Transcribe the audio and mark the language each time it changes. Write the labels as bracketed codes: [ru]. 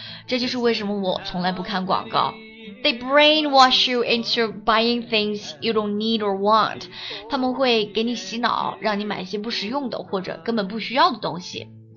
[zh] 这就是为什么我从来不看广告。 [en] They brainwash you into buying things you don't need or want. [zh] 他们会给你洗脑，让你买一些不实用的或者根本不需要的东西。